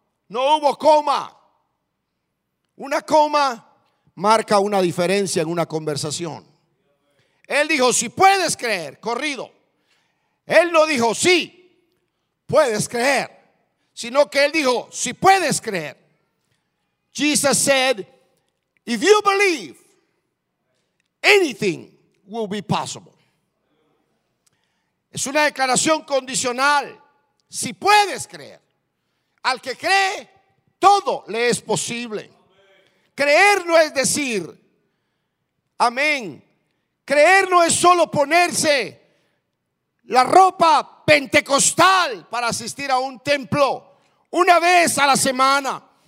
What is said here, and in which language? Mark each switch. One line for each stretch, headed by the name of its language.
Spanish: No hubo coma. Una coma marca una diferencia en una conversación. Él dijo, si puedes creer, corrido. Él no dijo, sí, puedes creer, sino que él dijo, si puedes creer.
English: Jesus said, if you believe, anything will be possible.
Spanish: Es una declaración condicional. Si puedes creer, al que cree, todo le es posible. Creer no es decir, amén. Creer no es solo ponerse la ropa pentecostal para asistir a un templo una vez a la semana.